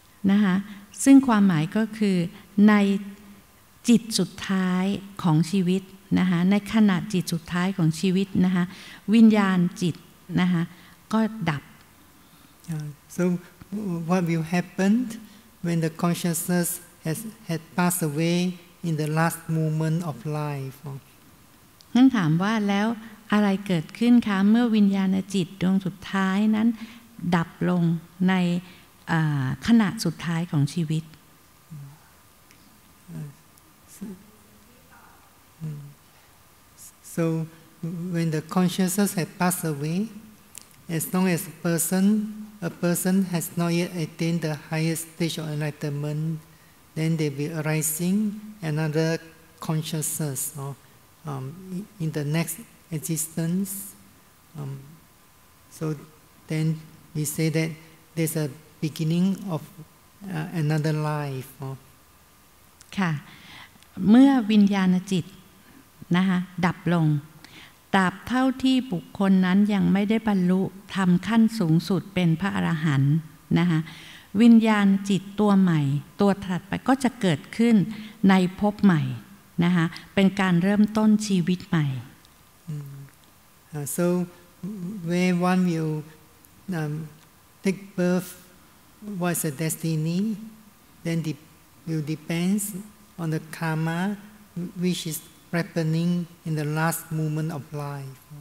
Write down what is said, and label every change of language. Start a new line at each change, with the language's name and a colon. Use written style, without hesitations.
Thai: นะคะซึ่งความหมายก็คือในจิตสุดท้ายของชีวิตนะคะในขณะจิตสุดท้ายของชีวิตนะคะวิญญาณจิตนะคะก็ดับ
English: So what will happen when the consciousness has passed away in the last moment of life
Thai: ท่านถามว่าแล้วอะไรเกิดขึ้นคะเมื่อวิญญาณจิตดวงสุดท้ายนั้นดับลงในขณะสุดท้ายของชีวิต
English: So when the consciousness has passed away as long as a person has not yet attained the highest stage of enlightenment then there will be arising another consciousness in the next existence so then we say that there's aBeginning of another life.
Thai: ค่ะเมื่อวิญญาณจิตนะคะดับลงตราบเท่าที่บุคคลนั้นยังไม่ได้บรรลุทำขั้นสูงสุดเป็นพระอรหันต์นะคะวิญญาณจิตตัวใหม่ตัวถัดไปก็จะเกิดขึ้นในภพใหม่นะคะเป็นการเริ่มต้นชีวิตใหม่
English: So where one will take birthWhat's the destiny? Then will depends on the karma which is happening in the last moment of life.